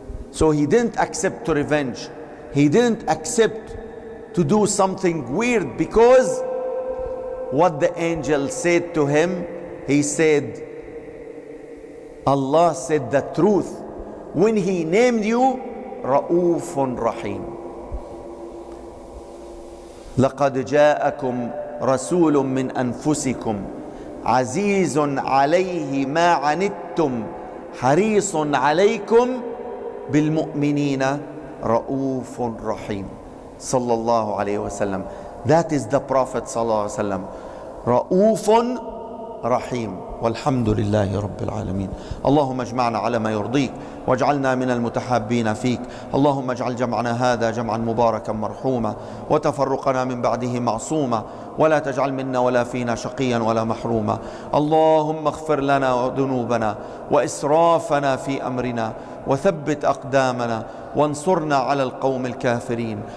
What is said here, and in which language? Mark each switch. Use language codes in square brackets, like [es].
[en] So he didn't accept to revenge. He didn't accept to do something weird, because what the angel said to him, he said, Allah said the truth when he named you Ra'ufun Rahim. [ar] لقد جاءكم رسول من أنفسكم عزيز عليه ما عنتم حريص عليكم بالمؤمنين رؤوف رحيم صلى الله عليه وسلم. [en] That is the Prophet [ar] صلى الله عليه وسلم. رؤوف رحيم. والحمد لله رب العالمين. اللهم اجمعنا على ما يرضيك واجعلنا من المتحابين فيك. اللهم اجعل جمعنا هذا جمعا مباركا مرحوما، وتفرقنا من بعده معصوما، ولا تجعل منا ولا فينا شقيا ولا محروما. اللهم اغفر لنا ذنوبنا وإسرافنا في أمرنا، وثبت أقدامنا وانصرنا على القوم الكافرين.